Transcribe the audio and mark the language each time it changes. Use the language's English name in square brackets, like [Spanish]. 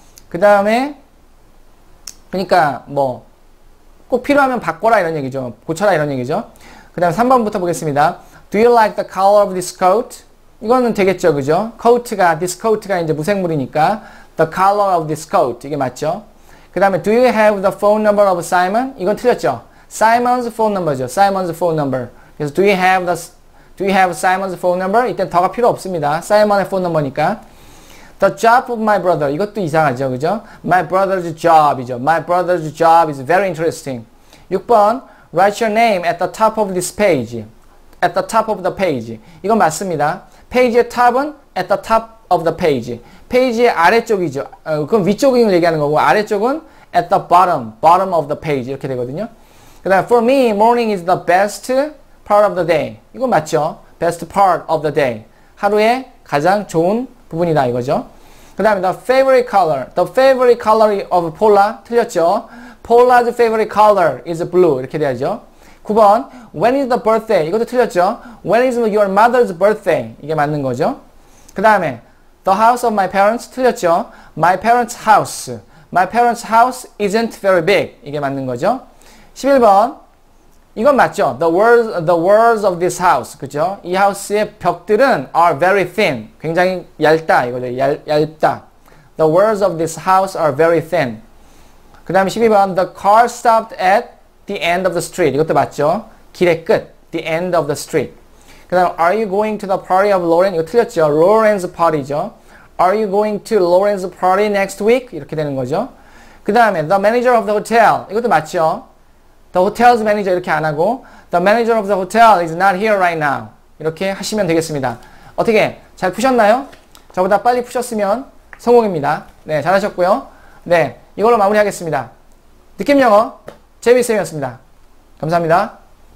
[Korean] 그 다음에 그러니까 뭐 꼭 필요하면 바꿔라 이런 얘기죠. 고쳐라 이런 얘기죠. 그 다음 3번부터 보겠습니다. [English] Do you like the color of this coat? [Korean] 이거는 되겠죠. 그죠? coat가 this coat가 이제 무생물이니까 [English] the color of this coat [Korean] 이게 맞죠. 그 다음에 [English] Do you have the phone number of Simon? [Korean] 이건 틀렸죠. [English] Simon's phone number죠. Simon's phone number. 그래서 Do you have Simon's phone number? [Korean] 이때는 더가 필요 없습니다. [English] Simon의 phone number니까. The job of my brother. [Korean] 이것도 이상하죠. 그죠? [English] My brother's job이죠. My brother's job is very interesting. 6번 Write your name at the top of this page. At the top of the page. [Korean] 이건 맞습니다. [English] 페이지의 top은 at the top of the page. [Korean] 페이지의 아래쪽이죠. 그건 위쪽을 얘기하는 거고 아래쪽은 [English] at the bottom, bottom of the page [Korean] 이렇게 되거든요. [English] 그 다음 for me, morning is the best part of the day. [Korean] 이건 맞죠? [English] best part of the day. [Korean] 하루의 가장 좋은 부분이다 이거죠. 그 다음에 [English] the favorite color of Paula 틀렸죠? Paula's favorite color is blue [Korean] 이렇게 돼야죠. [English] 9번 when is the birthday? [Korean] 이것도 틀렸죠? [English] when is your mother's birthday? [Korean] 이게 맞는 거죠. 그 다음에 [English] The house of my parents 틀렸죠. My parents' house isn't very big. [Korean] 이게 맞는 거죠. [English] 11번 [Korean] 이건 맞죠. [English] The walls of this house 그죠. [Korean] 이 house의 벽들은 [English] are very thin. [Korean] 굉장히 얇다 이거죠. 얇다. [English] The walls of this house are very thin. [Korean] 그 다음에 [English] 12번, the car stopped at the end of the street. [Korean] 이것도 맞죠? 길의 끝, [English] the end of the street. 그 다음, are you going to the party of Lauren? [Korean] 이거 틀렸죠? Lauren's party죠. [English] Are you going to Lauren's party next week? [Korean] 이렇게 되는 거죠. 그 다음에, [English] the manager of the hotel. [Korean] 이것도 맞죠? [English] The hotel's manager [Korean] 이렇게 안 하고, [English] the manager of the hotel is not here right now. [Korean] 이렇게 하시면 되겠습니다. 어떻게? 잘 푸셨나요? 저보다 빨리 푸셨으면 성공입니다. 네, 잘하셨고요. 네, 이걸로 마무리하겠습니다. 느낌 영어, 제이비쌤이었습니다. 감사합니다.